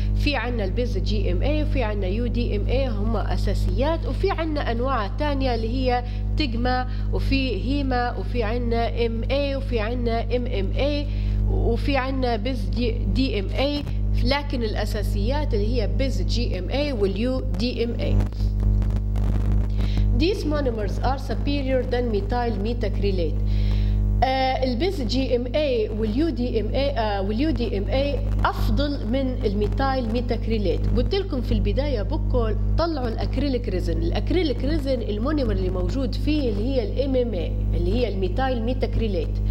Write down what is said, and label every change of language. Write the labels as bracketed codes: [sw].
[ar] في عنا البيز جي ام اي وفي عنا يو دي ام اي، هما اساسيات، وفي عنا انواع تانية اللي هي تيجما وفي هيما وفي عنا ام اي وفي عنا ام ام اي وفي عنا بيز دي ام اي، لكن الاساسيات اللي هي بيز جي ام اي واليو دي ام اي. [en] These monomers are superior than methyl methacrylate. [ar] البيز جي ام اي واليو دي ام اي واليو دي ام اي افضل من الميثايل ميثاكريليت. قلت لكم في البدايه بكل طلعوا الاكريليك ريزن، الاكريليك ريزن المونومر اللي موجود فيه اللي هي الام ام اي اللي هي الميثايل ميثاكريليت.